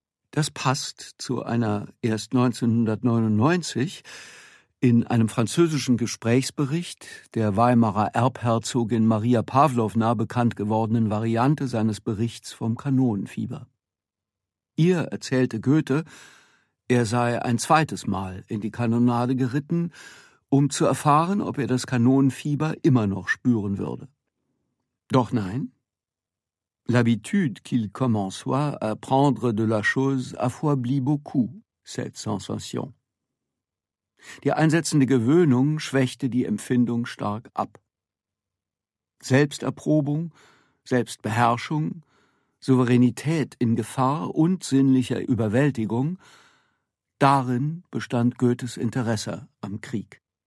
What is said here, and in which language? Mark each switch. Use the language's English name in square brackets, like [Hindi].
[German] Das passt zu einer erst 1999 in einem französischen Gesprächsbericht der Weimarer Erbherzogin Maria Pawlowna bekannt gewordenen Variante seines Berichts vom Kanonenfieber. Ihr erzählte Goethe, er sei ein zweites Mal in die Kanonade geritten, um zu erfahren, ob er das Kanonenfieber immer noch spüren würde. Doch nein. [French] L'habitude qu'il commençoit à prendre de la chose affaiblit beaucoup cette sensation. [German] Die einsetzende Gewöhnung schwächte die Empfindung stark ab. Selbsterprobung, Selbstbeherrschung, Souveränität in Gefahr und sinnlicher Überwältigung, darin bestand Goethes Interesse am Krieg.